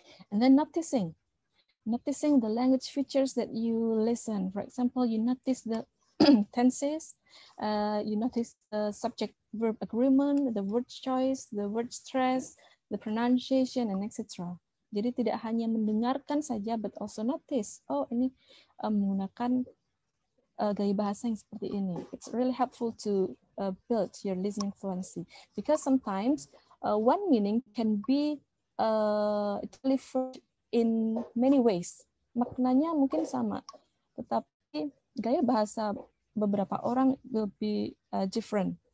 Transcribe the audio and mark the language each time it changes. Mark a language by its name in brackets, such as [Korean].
[English] And then noticing the language features that you listen. For example, you notice the tenses, you notice the subject verb agreement, the word choice, the word stress, the pronunciation, and etc. [Indonesian] Jadi tidak hanya mendengarkan saja, [English] but also notice. [Indonesian] Oh, ini menggunakan gaya bahasa yang seperti ini. [English] It's really helpful to build your listening fluency. Because sometimes one meaning can be delivered in many ways. [Indonesian] Maknanya mungkin sama, tetapi gaya bahasa beberapa orang [English] will be different.